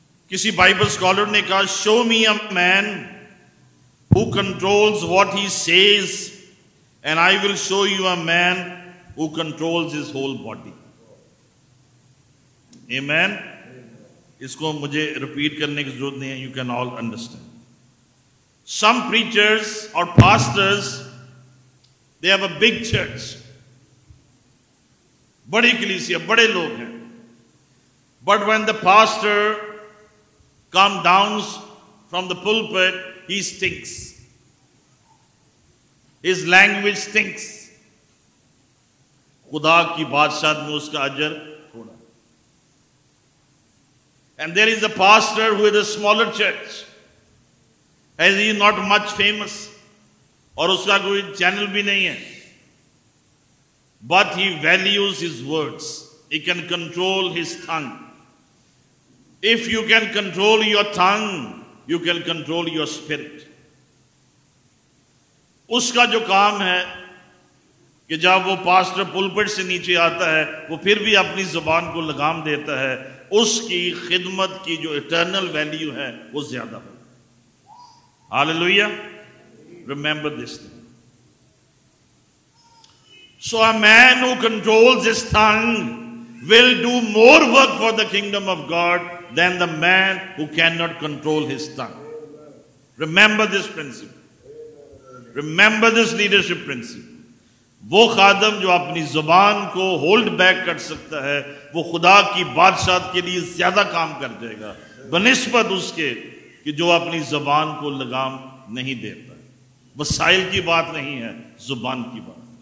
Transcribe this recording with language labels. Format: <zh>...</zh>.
<ur>کسی Bible scholar نے کہا,</ur> <en>Show me a man who controls what he says and I will show you a man who controls his whole body.</en> <ur>آمین. اس کو مجھے ریپیٹ کرنے کی ضرورت نہیں ہے,</ur> <en>You can all understand. Some preachers اور pastors they have a big church,</en> <ur>بڑی کلیسیا, بڑے لوگ ہیں,</ur> <en>But when the pastor come down from the pulpit he stinks, his language stinks.</en> <ur>خدا کی بادشاہت میں اس کا اجر تھوڑا.</ur> <en>and there is a pastor who is a smaller church, has he not much famous,</en> <ur>اور اس کا کوئی چینل بھی نہیں ہے,</ur> <en>But he values his words, he can control his thing. If you can control your tongue, you can control your spirit.</en> <ur>اس کا جو کام ہے کہ جب وہ پاسٹر پلپٹ سے نیچے آتا ہے وہ پھر بھی اپنی زبان کو لگام دیتا ہے, اس کی خدمت کی جو اٹرنل ویلیو ہے وہ زیادہ ہو.</ur> <en>Hallelujah. Remember this thing. So a man who controls his tongue will do more work for the kingdom of God than the man who cannot control his tongue. Remember this principle. Remember this leadership principle.</en> <ur>وہ خادم جو اپنی زبان کو hold back کر سکتا ہے وہ خدا کی بادشاہت کے لیے زیادہ کام کر جائے گا بنسبت اس کے کہ جو اپنی زبان کو لگام نہیں دیتا. وسائل کی بات نہیں ہے, زبان کی بات.</ur>